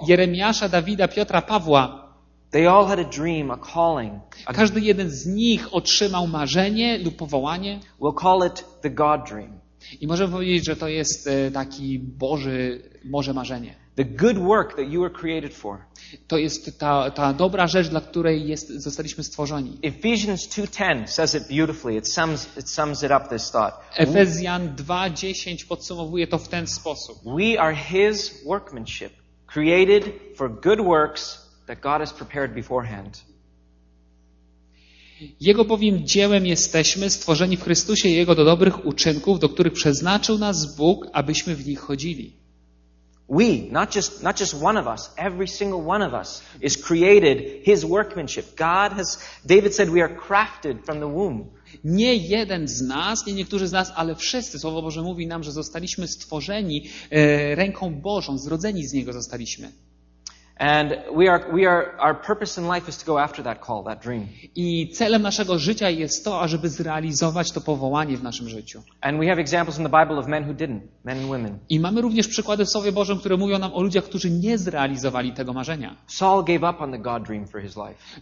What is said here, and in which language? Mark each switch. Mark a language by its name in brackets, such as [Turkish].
[Polish] Jeremiasza, Dawida, Piotra, Pawła. [English] They all had a dream, a calling. [Polish] Każdy jeden z nich otrzymał marzenie lub powołanie. [English] We'll call it the God dream. [Polish] I możemy powiedzieć, że to jest taki Boży, może marzenie. [English] The good work that you were created for. [Polish] To jest ta dobra rzecz, dla której zostaliśmy stworzeni. [English] Ephesians 2:10 says it beautifully. It sums it up, this thought. [Polish] Efezjan 2:10 podsumowuje to w ten sposób. [English] We are his workmanship, created for good works that God has prepared beforehand. [Polish] Jego bowiem dziełem jesteśmy, stworzeni w Chrystusie Jego do dobrych uczynków, do których przeznaczył nas Bóg, abyśmy w nich chodzili. [English] We, not just one of us, every single one of us is created his workmanship. God has, David said, we are crafted from the womb. [Polish] Nie jeden z nas, nie niektórzy z nas, ale wszyscy. Słowo Boże mówi nam, że zostaliśmy stworzeni ręką Bożą, zrodzeni z Niego zostaliśmy. [English] And we are our purpose in life is to go after that call, that dream. [Polish] I celem naszego życia jest to, ażeby zrealizować to powołanie w naszym życiu. [English] And we have examples in the Bible of men who didn't, men and women. [Polish] I mamy również przykłady w Słowie Bożym, które mówią nam o ludziach, którzy nie zrealizowali tego marzenia. [English] Saul gave up on the God dream for his life.